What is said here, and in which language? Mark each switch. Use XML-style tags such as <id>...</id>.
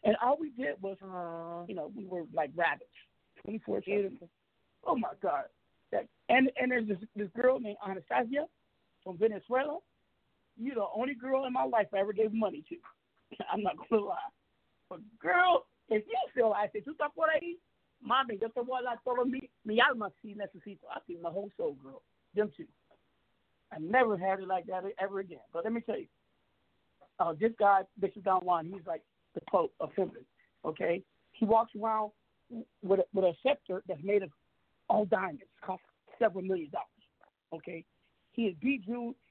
<en>And all we did was, you know, we were like rabbits. 24/7. Oh, my God. And there's this girl named Anastasia from Venezuela. You're the only girl in my life I ever gave money to. I'm not going to lie. But, girl, if you feel like it, you talk what I eat?</en> <es>Mommy, yo te voy a dar todo mi alma si necesito.</es> <en>I feed my whole soul, girl. Them two. I never had it like that ever again. But let me tell you. This guy, Bishop Don Juan, he's like the Pope of feminism, okay? He walks around with a scepter that's made of all diamonds. Cost several $1 million, okay? He is bejeweled.</en>